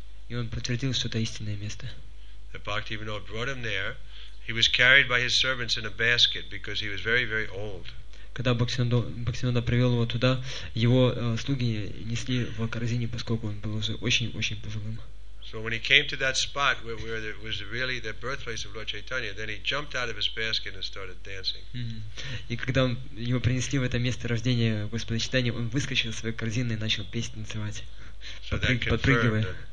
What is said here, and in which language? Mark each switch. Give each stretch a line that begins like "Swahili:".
Russian: И он подтвердил, что это истинное место.
English: Bhaktivinoda brought him there. He was carried by his servants in a basket because he was very, very old.
Russian: Когда Бхактивинода привел его туда, его слуги несли в корзине, поскольку он был уже очень, очень пожилым.
English: So when he came to that spot where it was really the birthplace of Lord Chaitanya, then he jumped out of his basket and started dancing.
Russian: И когда его принесли в это место рождения Господа Чайтаньи, он выскочил из своей корзины и начал петь, танцевать, подпрыгивая.